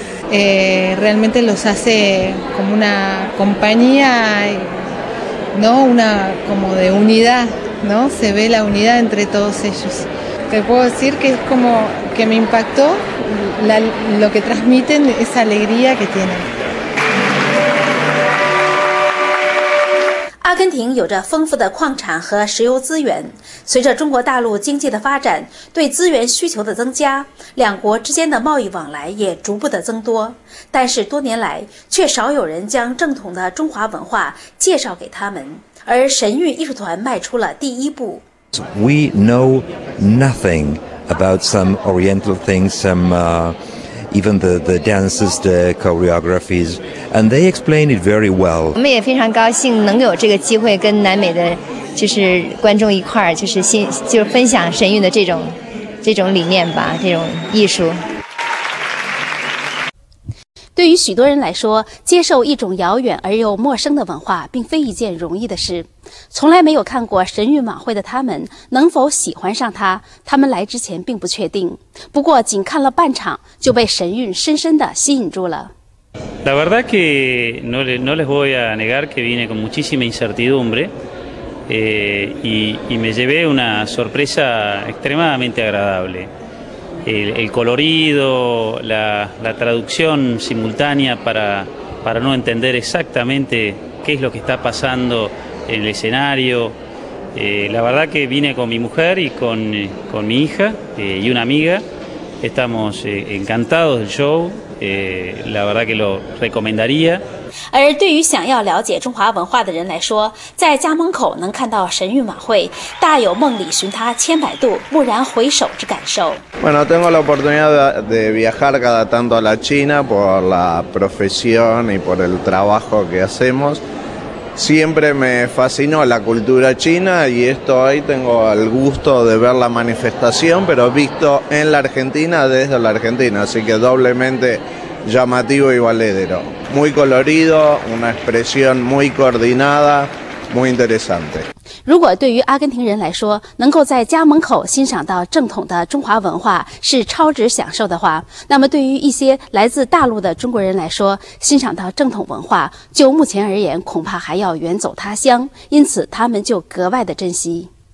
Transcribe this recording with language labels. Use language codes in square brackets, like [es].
[es] Realmente los hace como una compañía, ¿no? Una como de unidad, ¿no? Se ve la unidad entre todos ellos. Te puedo decir que es como que me impactó lo que transmiten, esa alegría que tienen. [zh] 阿根廷有着丰富的矿产和石油资源，随着中国大陆经济的发展，对资源需求的增加，两国之间的贸易往来也逐步的增多，但是多年来却少有人将正统的中华文化介绍给他们，而神韵艺术团迈出了第一步。 [en] We know nothing about some oriental things, even the dances, the choreographies, and they explain it very well. [zh] 我们也非常高兴能有这个机会跟南美的，就是观众一块儿，就是分享神韵的这种理念吧，这种艺术。对于许多人来说，接受一种遥远而又陌生的文化并非一件容易的事。从来没有看过神韵晚会的他们能否喜欢上它，他们来之前并不确定，不过仅看了半场就被神韵深深地吸引住了。 [es] La verdad que no les voy a negar que vine con muchísima incertidumbre, y me llevé una sorpresa extremadamente agradable. El colorido, la traducción simultánea para no entender exactamente qué es lo que está pasando en el escenario. La verdad que vine con mi mujer y con mi hija y una amiga. Estamos encantados del show. La verdad que lo recomendaría. [zh] 而对于想要了解中华文化的人来说，在家门口能看到神韵晚会，大有梦里寻他千百度，蓦然回首之感受。 [es] Bueno, tengo la oportunidad de viajar cada tanto a la China por la profesión y por el trabajo que hacemos. Siempre me fascinó la cultura china y esto hoy tengo el gusto de ver la manifestación, pero visto en la Argentina desde la Argentina, así que doblemente. Llamativo y valedero, muy colorido, una expresión muy coordinada, muy interesante. [zh] 如果对于阿根廷人来说，能够在家门口欣赏到正统的中华文化是超值享受的话，那么对于一些来自大陆的中国人来说，欣赏到正统文化，就目前而言恐怕还要远走他乡，因此他们就格外的珍惜。